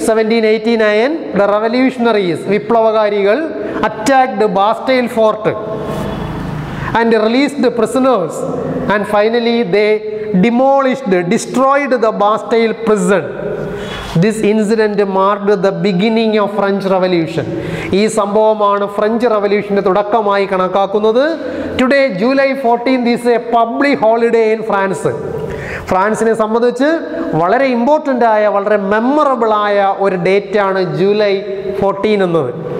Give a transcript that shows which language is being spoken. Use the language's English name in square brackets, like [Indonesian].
[English] 14th July 1789, the revolutionaries വിപ്ലവകാരികൾ attacked Bastille fort and release the prisoners and finally they demolished destroyed the Bastille prison. This incident marked the beginning of French Revolution. [Malayalam] ഈ സംഭവമാണ് French റവല്യൂഷന്റെ തുടക്കമായി കണക്കാക്കുന്നത്. [English] Today July 14th is a public holiday in France. [Malayalam] ഫ്രാൻസിനെ സംബന്ധിച്ച് വളരെ important ആയ, വളരെ മെമ്മറബിളായ ഒരു ഡേറ്റാണ് July 14th എന്നത്.